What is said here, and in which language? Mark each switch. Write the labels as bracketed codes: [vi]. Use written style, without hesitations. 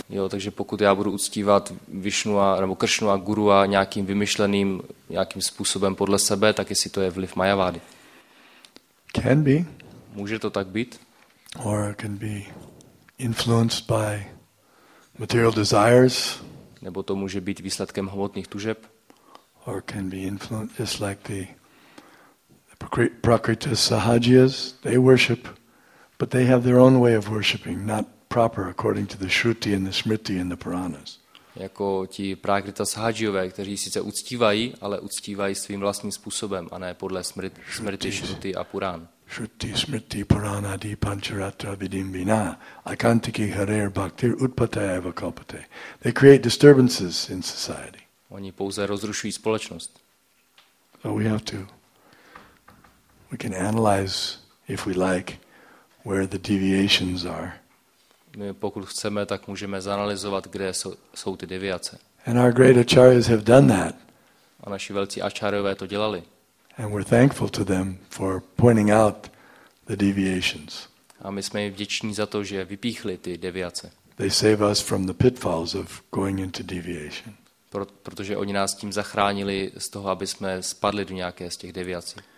[cs] Jo, takže pokud já budu uctívat Vishnu a, nebo Kršnu a Guru a nějakým vymyšleným nějakým způsobem podle sebe, tak jestli to je vliv Mayavadi. [en] Can be. [cs] Může to tak být. [en] Or can be influenced by material desires. [cs] Nebo to může být výsledkem hmotných tužeb. [en] Or can be influenced just like the Prakriti Sahajiyas. They worship, but they have their own way of worshiping, not proper according to the Shruti and the Smriti and the Puranas. [cs] Jako ti Prakriti Sahajiyové, kteří sice uctívají, ale uctívají svým vlastním způsobem, a ne podle Smriti, Shruti a Puran. [sa] Shruti Smriti Purana Adi Pancharatra Vidim Vina Akantiki Harer Bhaktir Utpataya Eva Kalpate. [en] They create disturbances in society. [cs] Oni pouze rozrušují společnost. [en] So we have to. We can analyze, if we like, where the deviations are. [cs] My pokud chceme, tak můžeme zanalyzovat, kde jsou ty deviace. [en] And our great acharyas have done that. [cs] A naši velcí ačárové to dělali. [en] And we're thankful to them for pointing out the deviations. [cs] A my jsme jim vděční za to, že vypíchli ty deviace. [en] They save us from the pitfalls of going into deviation. [cs] Protože oni nás tím zachránili z toho, aby jsme spadli do nějaké z těch deviací.